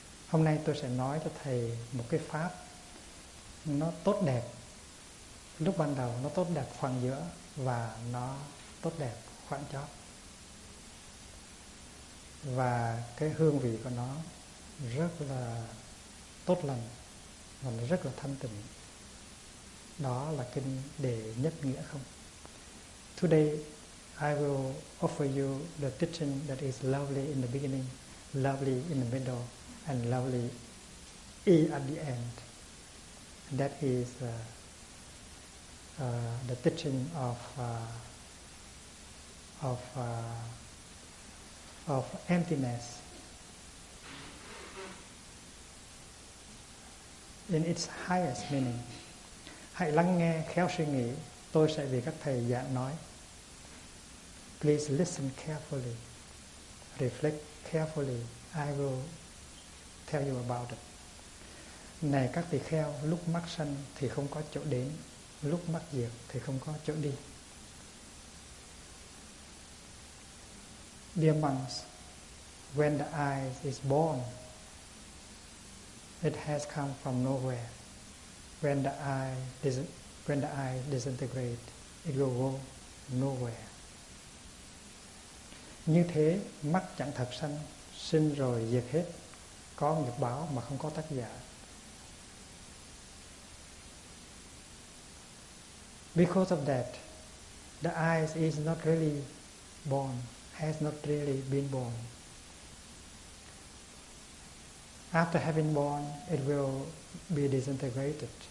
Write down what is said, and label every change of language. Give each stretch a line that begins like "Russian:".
Vietnamese: Hôm nay tôi sẽ nói cho thầy một cái pháp nó tốt đẹp lúc ban đầu, nó tốt đẹp khoảng giữa và nó tốt đẹp khoảng chót. Và cái hương vị của nó rất là tốt lành và nó rất là thanh tịnh. Đó là kinh Đệ Nhất Nghĩa Không.
English: Today I will offer you the teaching that is lovely in the beginning, lovely in the middle, and lovely at the end. That is the teaching of emptiness. In its highest meaning.
Vietnamese: Hãy lắng nghe, khéo suy nghĩ. Tôi sẽ vì các thầy giảng nói.
English: Please listen carefully. Reflect carefully. I will tell you about it.
Vietnamese: Này các tỳ kheo, lúc mắc sanh thì không có chỗ đến, lúc mắc diệt thì không có chỗ đi.
English: Dear monks, when the eye is born, it has come from nowhere. When the eye disintegrate, it will go nowhere.
Vietnamese: Như thế, mắt chẳng thật sanh, sinh rồi diệt hết, có nghiệp báo mà không có tác giả.
English: Because of that, the eye is not really born, has not really been born. After having born, it will be disintegrated.